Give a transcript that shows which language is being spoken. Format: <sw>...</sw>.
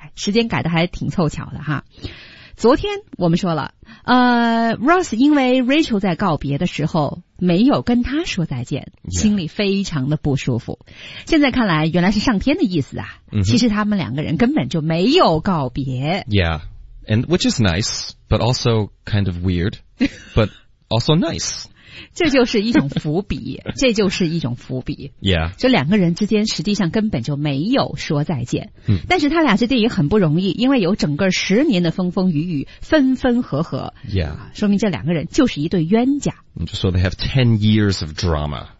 <zh>时间改的还挺凑巧的哈。昨天我们说了，Ross 因为 Rachel 在告别的时候没有跟他说再见，心里非常的不舒服。现在看来原来是上天的意思啊，其实他们两个人根本就没有告别。</zh> <en>Yeah, and which is nice, but also kind of weird, but also nice.</en> <zh>这就是一种伏笔，这就是一种伏笔。</zh> <en>Yeah.</en> <zh>就两个人之间实际上根本就没有说再见。嗯。但是他俩之间也很不容易，因为有整个十年的风风雨雨，分分合合。</zh> <en>Yeah.</en> <zh>说明这两个人就是一对冤家。</zh> <en>So they have 10 years of drama.</en>